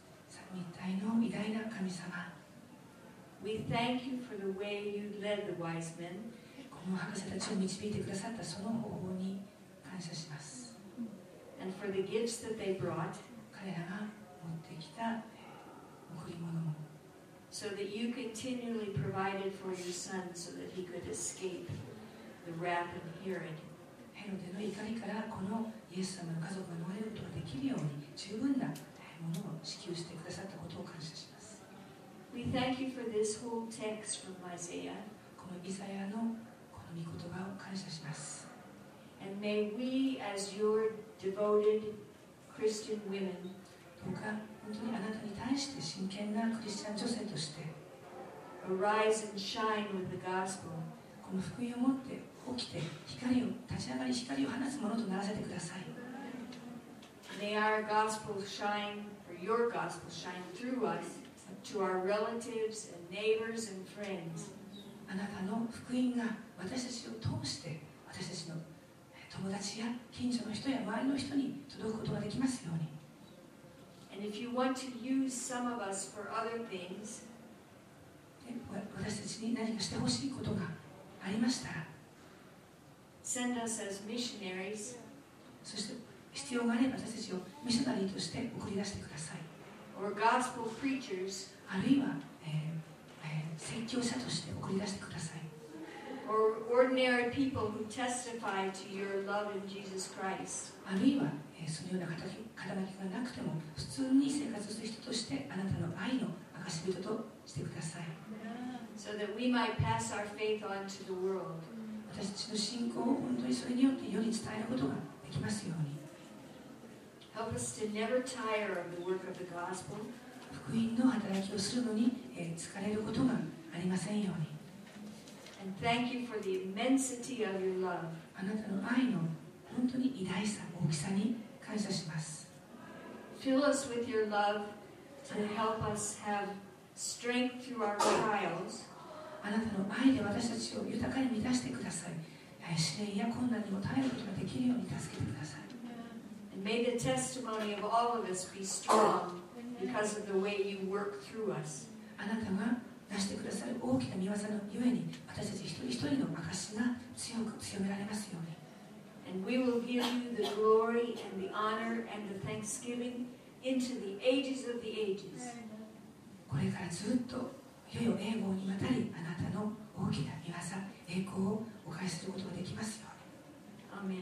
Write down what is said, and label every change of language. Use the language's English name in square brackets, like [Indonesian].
[Japanese] 三位一体の偉大な神様、 [English] We thank you for the way you led the wise men. [Japanese] この博士たちを導いてくださったその方法に感謝します。 [English] And for the gifts that they brought, [Japanese] 彼らが持ってきた贈り物も。 [English] So that you continually provided for your son so that he could escape the wrath of Herod. [Japanese] ヘロデの怒りからこのイエス様の家族が逃れることができるように十分なものを支給してくださったことを感謝します。 [English] We thank you for this whole text from Isaiah. [Japanese] このイザヤのこの御言葉を感謝します。 [English] And may we, as your devoted Christian women, [Japanese] どうか本当にあなたに対して真剣なクリスチャン女性として、 [English] arise and shine with the gospel. [Japanese] この福音を持って起きて光を立ち上がり光を放つものとならせてください。 [English] May our gospel shine, or your gospel shine through us. To our relatives and neighbors and friends. [Japanese] あなたの福音が私たちを通して私たちの友達や近所の人や周りの人に届くことができますように。 [English] And if you want to use some of us for other things, [Japanese] 私たちに何かしてほしいことがありましたら、 [English] send us as missionaries. [Japanese] そして必要があれば私たちをミッショナリーとして送り出してください。 [English] Or gospel preachers, [Japanese] あるいは、宣教者として送り出してください。 [English] Or ordinary people who testify to your love in Jesus Christ. [Japanese] あるいは、そのような肩書きがなくても普通に生活する人としてあなたの愛の証人としてください。 [English] So that we might pass our faith on to the world. [Japanese] 私たちの信仰を本当にそれによって世に伝えることができますように。 [English] Help us to never tire of the work of the gospel. [Japanese] 福音の働きをするのに、疲れることがありませんように。 [English] And thank you for the immensity of your love. [Japanese] あなたの愛の本当に偉大さ、大きさに感謝します。 [English] Fill us with your love to help us have strength through our trials. [Japanese] あなたの愛で私たちを豊かに満たしてください。試練や困難にも耐えることができるように助けてください。 [English] May the testimony of all of us be strong because of the way you work through us. [Japanese] あなたが出してくださる大きな御業のゆえに、私たち一人一人の証が強く強められますように。 [English] And we will give you the glory and the honor and the thanksgiving into the ages of the ages. [Japanese] これからずっと、よよ栄光にわたり、あなたの大きな御業、栄光をお返しすることができますように。